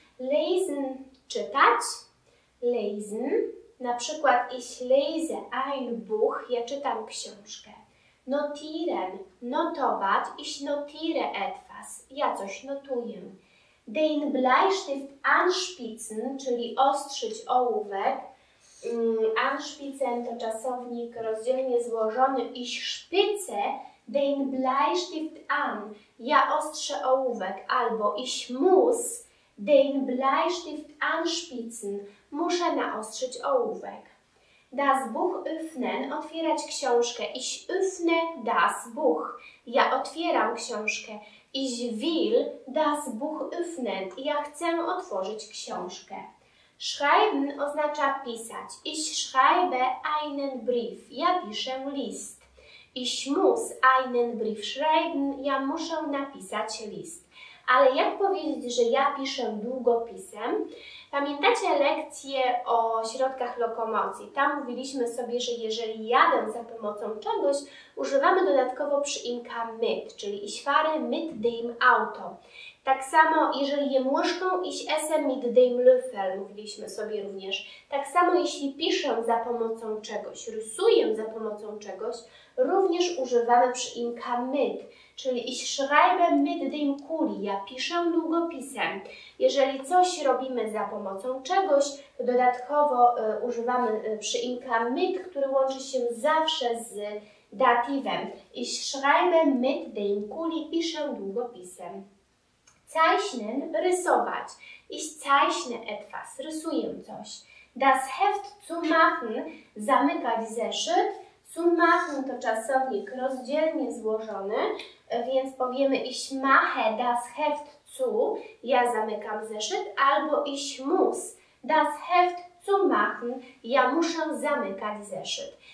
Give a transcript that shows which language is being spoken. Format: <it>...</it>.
<pl>Lesen, czytać, lesen, na przykład</pl> <de>ich lese ein Buch,</de> <pl>ja czytam książkę. Notieren, notować,</pl> <de>ich notiere etwas,</de> <pl>ja coś notuję.</pl> <de>Den Bleistift anspitzen,</de> <pl>czyli ostrzyć ołówek. Anspitzen to czasownik rozdzielnie złożony.</pl> <de>Ich spitze den Bleistift an,</de> <pl>ja ostrzę ołówek.</pl> <de>Albo ich muss den Bleistift anspitzen,</de> <pl>muszę naostrzyć ołówek.</pl> <de>Das Buch öffnen,</de> <pl>otwierać książkę.</pl> <de>Ich öffne das Buch.</de> <pl>Ja otwieram książkę.</pl> <de>Ich will das Buch öffnen.</de> <pl>Ja chcę otworzyć książkę. Schreiben oznacza pisać.</pl> <de>Ich schreibe einen Brief.</de> <pl>Ja piszę list.</pl> <de>Ich muss einen Brief schreiben.</de> <pl>Ja muszę napisać list. Ale jak powiedzieć, że ja piszę długopisem? Pamiętacie lekcję o środkach lokomocji? Tam mówiliśmy sobie, że jeżeli jadę za pomocą czegoś, używamy dodatkowo przyimka mit, czyli</pl> <de>ich fahre mit dem Auto.</de> <pl>Tak samo, jeżeli jem łyżką,</pl> <de>ich esse mit dem Löffel,</de> <pl>mówiliśmy sobie również. Tak samo, jeśli piszę za pomocą czegoś, rysuję za pomocą czegoś, również używamy przyimka mit, czyli</pl> <de>ich schreibe mit dem Kuli,</de> <pl>ja piszę długopisem. Jeżeli coś robimy za pomocą czegoś, to dodatkowo używamy przyimka mit, który łączy się zawsze z datywem.</pl> <de>Ich schreibe mit dem Kuli,</de> <pl>piszę długopisem.</pl> <de>Zeichnen, rysować. Ich zeichne etwas,</de> <pl>rysuję coś.</pl> <de>Das Heft zu machen,</de> <pl>zamykać zeszyt. Zu machen to czasownik rozdzielnie złożony, więc powiemy</pl> <de>ich mache das Heft zu,</de> <pl>ja zamykam zeszyt, albo</pl> <de>ich muss das Heft zu machen,</de> <pl>ja muszę zamykać zeszyt.</pl>